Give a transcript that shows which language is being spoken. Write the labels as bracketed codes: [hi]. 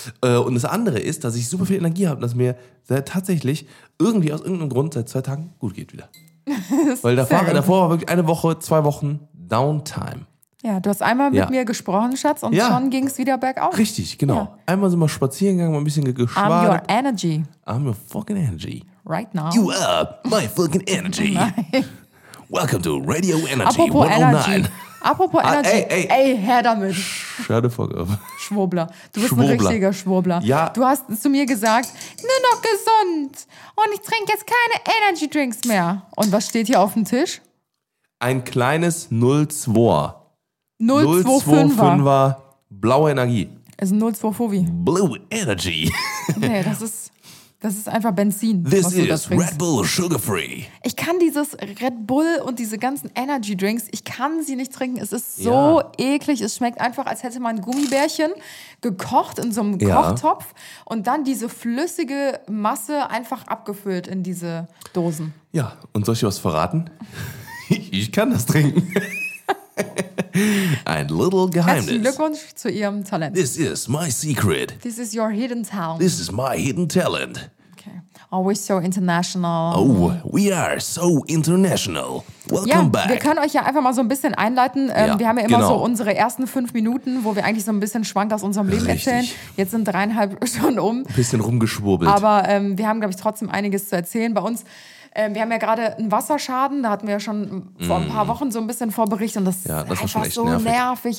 [de] Und das andere ist, dass ich super viel Energie habe, dass mir tatsächlich irgendwie aus irgendeinem Grund seit 2 Tagen gut geht wieder. Weil davor war wirklich 1 Woche, 2 Wochen Downtime. Ja, du hast einmal mit mir gesprochen, Schatz, und schon ging es wieder bergauf. Richtig, genau. Ja. Einmal sind wir spazieren gegangen, mal ein bisschen geschwadet. [en] I'm your energy. I'm your fucking energy. Right now. You are my fucking energy. Welcome to Radio Energy [de] Apropos 109. Apropos Energy. Ey, her damit. [en] Shut the fuck up. [de] Schwurbler. Du bist ein richtiger Schwurbler. Ja. Du hast zu mir gesagt, nur noch gesund. Und ich trinke jetzt keine Energy Drinks mehr. Und was steht hier auf dem Tisch? Ein kleines 0,2. 0,25er. Blaue Energie. Es ist ein 0,25. [en] Blue Energy. [de] Nee, das ist... Das ist einfach Benzin. This was du is da Red Bull Sugar Free. Ich kann dieses Red Bull und diese ganzen Energy Drinks, ich kann sie nicht trinken. Es ist so eklig. Es schmeckt einfach, als hätte man ein Gummibärchen gekocht in so einem Kochtopf und dann diese flüssige Masse einfach abgefüllt in diese Dosen. Ja, und soll ich was verraten? Ich kann das trinken. Ein little Geheimnis. Herzlichen Glückwunsch zu Ihrem Talent. [en] This is my secret. This is your hidden talent. This is my hidden talent. Okay. Always so international. Oh, we are so international. Welcome back. [de] Wir können euch ja einfach mal so ein bisschen einleiten. Wir haben ja immer so unsere ersten 5 Minuten, wo wir eigentlich so ein bisschen schwank aus unserem Leben erzählen. Jetzt sind 3,5 schon um. Ein bisschen rumgeschwurbelt. Aber wir haben, glaube ich, trotzdem einiges zu erzählen bei uns. Wir haben ja gerade einen Wasserschaden, da hatten wir ja schon vor ein paar Wochen so ein bisschen vorberichtet und das ist einfach so nervig.